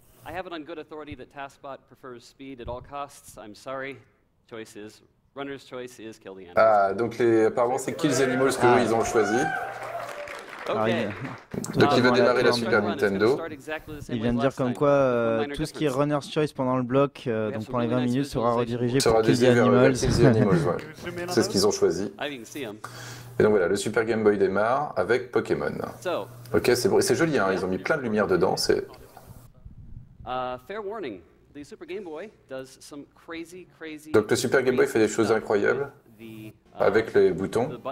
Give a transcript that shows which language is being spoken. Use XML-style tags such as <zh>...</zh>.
<en>I have it on good authority that TASBot prefers speed at all costs. I'm sorry. Choices. Runner's choice is kill the animals.</en> <fr>Ah, donc apparemment c'est</fr> <en>kill the animals</en> <fr>que ils ont choisi. Okay. Donc il veut démarrer la Super Nintendo. Il vient de dire comme quoi tout ce qui est Runner's Choice pendant le bloc, donc pendant les 20 minutes, sera redirigé pour Kill the Animals, ouais. C'est ce qu'ils ont choisi. Et donc voilà, le Super Game Boy démarre avec Pokémon. Ok, c'est bon. C'est joli, hein. Ils ont mis plein de lumière dedans.</fr> <en>C'est. Fair warning. The Super Game Boy does some crazy.</en> <fr>Donc le Super Game Boy fait des choses incroyables avec les boutons.</fr>